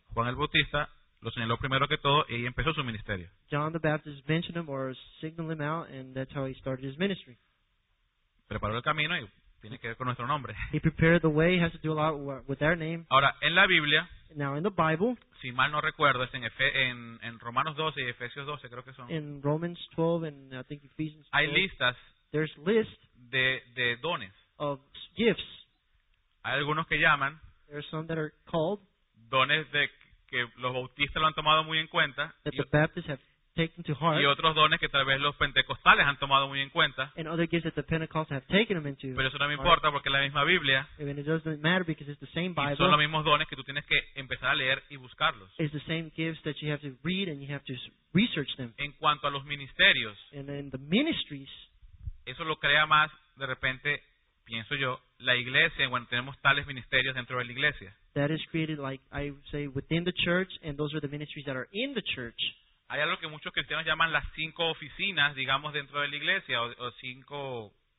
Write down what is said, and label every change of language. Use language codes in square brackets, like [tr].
[es] Juan el Bautista lo señaló primero que todo y empezó su ministerio. [en] John the Baptist mentioned him or signaled him out and that's how he started his ministry. [es] Preparó el camino y tiene que ver con nuestro nombre. [en] He prepared the way, has to do a lot with our name. [es] Ahora, en la Biblia, [en] now in the Bible, [es] si mal no recuerdo, es en Romanos 12 y Efesios 12, creo que son. [en] In Romans 12 and I think Ephesians 12. [es] Hay listas [en] there's list [es] de dones. [en] Of gifts. [es] Hay algunos que llaman [en] there are some that are called [es] dones de que los bautistas lo han tomado muy en cuenta [en] that the Baptists have taken to heart, [es] y otros dones que tal vez los pentecostales han tomado muy en cuenta [en] and other gifts that the Pentecostals have taken them into, [es] pero eso no me importa porque es la misma Biblia [en] and it doesn't matter because it's the same Bible, [es] y son los mismos dones que tú tienes que empezar a leer y buscarlos. [en] It's the same gifts that you have to read and you have to research them. [es] En cuanto a los ministerios [en] and then the ministries, [es] eso lo crea más de repente pienso yo, la iglesia, bueno, tenemos tales ministerios dentro de la iglesia. [en] That is created, like I say, within the church, and those are the ministries that are in the church. [es] Hay algo que muchos cristianos llaman las cinco oficinas, digamos, dentro de la iglesia, o cinco...